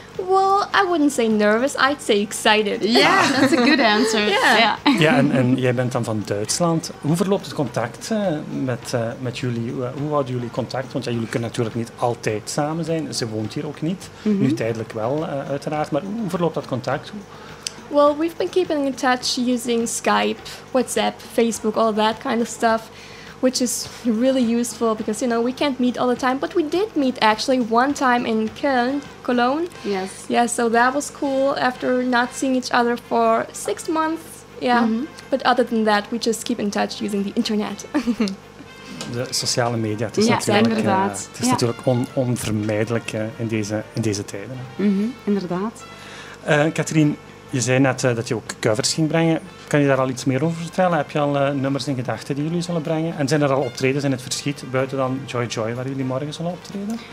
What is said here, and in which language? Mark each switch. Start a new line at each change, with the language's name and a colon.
English: Well, I wouldn't say nervous. I'd say excited. Yeah, that's a good answer. Yeah.
Dutch: Ja, en jij bent dan van Duitsland. Hoe verloopt het contact met jullie? Hoe houden jullie contact? Want ja, jullie kunnen natuurlijk niet altijd samen zijn. Ze woont hier ook niet. Mm-hmm. Nu tijdelijk wel, uiteraard. Maar hoe verloopt dat contact?
English: Well, we've been keeping in touch using Skype, WhatsApp, Facebook, all that kind of stuff. Which is really useful because, you know, we can't meet all the time. But we did meet actually one time in Cologne. Yes. Yeah, so that was cool after not seeing each other for 6 months. Yeah. Mm-hmm. But other than that, we just keep in touch using the internet.
Dutch: De sociale media. Het is inderdaad. Het is natuurlijk onvermijdelijk in deze tijden. Mm-hmm. Inderdaad. Katrien, je zei net dat je ook covers ging brengen. Kan je daar al iets meer over vertellen? Heb je al nummers in gedachten die jullie zullen brengen? En zijn er al optredens in het verschiet, buiten dan Joy Joy, waar jullie morgen zullen optreden?